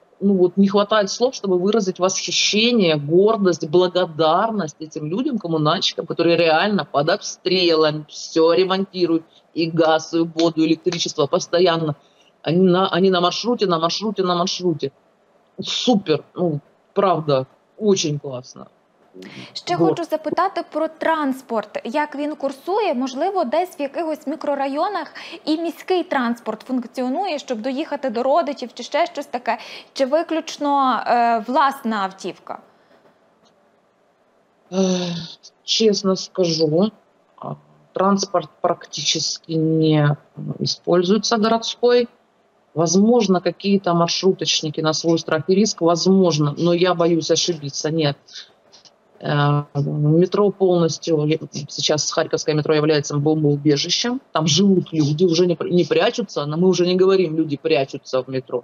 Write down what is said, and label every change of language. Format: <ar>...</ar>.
<ru>ну вот не хватает слов, чтобы выразить восхищение, гордость, благодарность этим людям, коммунальщикам, которые реально под обстрелом все ремонтируют, и газ, и воду, и электричество постоянно. Они на маршруте. Супер, ну правда, очень классно.</ru> <uk>Ще хочу запитати про транспорт. Як він курсує? Можливо, десь в якихось мікрорайонах і міський транспорт функціонує, щоб доїхати до родичів, чи ще щось таке? Чи виключно власна автівка? Чесно скажу, транспорт практично не використовується городський.</uk> <ru>Возможно, какие-то маршруточники на свой страх і риск, возможно, но я боюсь ошибиться, нет. Метро полностью, сейчас Харьковское метро является бомбоубежищем, там живут люди, уже не прячутся, но мы уже не говорим, люди прячутся в метро.</ru>